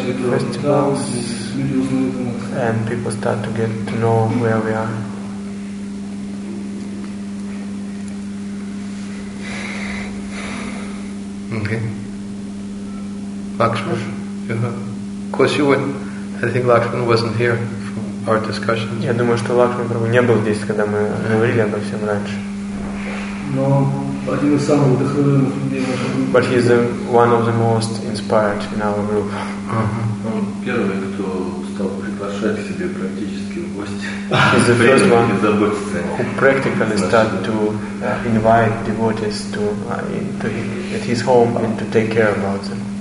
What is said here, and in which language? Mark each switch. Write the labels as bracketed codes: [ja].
[en] festivals, and people start to get to know where we are. Okay. Lakshman, you have. Of course, you would. I think Lakshman wasn't here for our discussion. [ru] Я думаю, что Лакшман Прабху не был здесь, когда мы говорили обо всем раньше. Но один из самых вдохновенных людей в нашей группе. [en] But he's one of the most inspired in our group. [ru] Он первый, кто стал приглашать к себе практически в гости. [en] He's the first one who practically started to invite devotees to at his home and to take care about them.